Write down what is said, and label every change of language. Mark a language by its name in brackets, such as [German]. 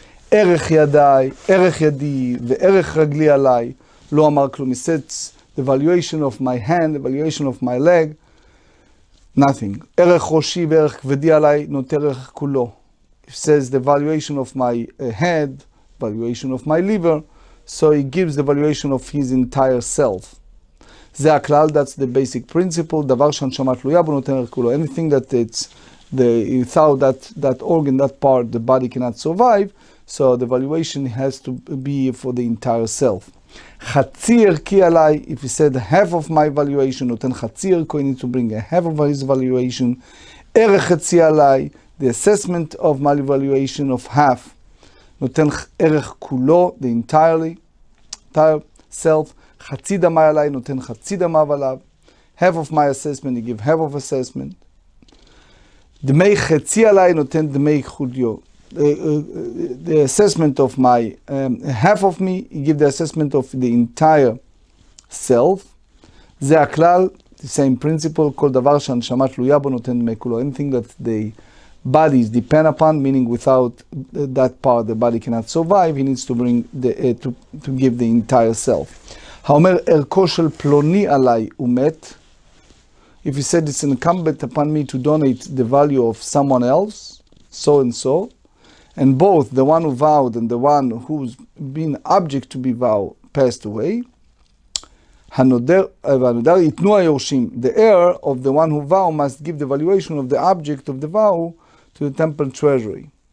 [Hebrew] ערך ידי, ערך ידי וערך רגלי עליי, לא אמר כלום, [English] he said, the valuation of my hand, the valuation of my leg, nothing. [Hebrew] ערך ראשי וערך כבדי עליי, נותר ערך כולו. [English] He says, the valuation of my head, valuation of my liver, so he gives the valuation of his entire self. [Hebrew] זה הכלל, [English] that's the basic principle, [Hebrew] דבר שהנשמה תלויה בו, נותר ערך כולו. [English] Anything that it's, without that organ, that part, the body cannot survive, so the valuation has to be for the entire self. [Hebrew] חצי ערכי עליי, [English] if he said half of my valuation, [Hebrew] נותן חצי ערכו, [English] he needs to bring a half of his valuation. [Hebrew] ערך חצי עליי, [English] the assessment of my valuation of half, [Hebrew] נותן ערך כולו, [English] the entire self. [Hebrew] חצי דמי עליי, נותן חצי דמיו עליו. [English] Half of my assessment, he give half of assessment. [Hebrew] דמי חצי עליי, נותן דמי חוליו. [English] The assessment of my half of me, he give the assessment of the entire self. [Hebrew] זה הכלל, [English] the same principle, [Hebrew] כל דבר שהנשמה תלויה בו נותן דמי כולו. [English] Anything that the bodies depend upon, meaning without that part the body cannot survive, he needs to bring to give the entire self. [Hebrew] האומר ערכו של פלוני עליי ומת, [English] if he said it's incumbent upon me to donate the value of someone else, so and so, and both the one who vowed and the one who's been object to be vowed passed away, [Hebrew] hanoder itnu hayorshim, [English] the heir of the one who vowed must give the valuation of the object of the vow to the temple treasury.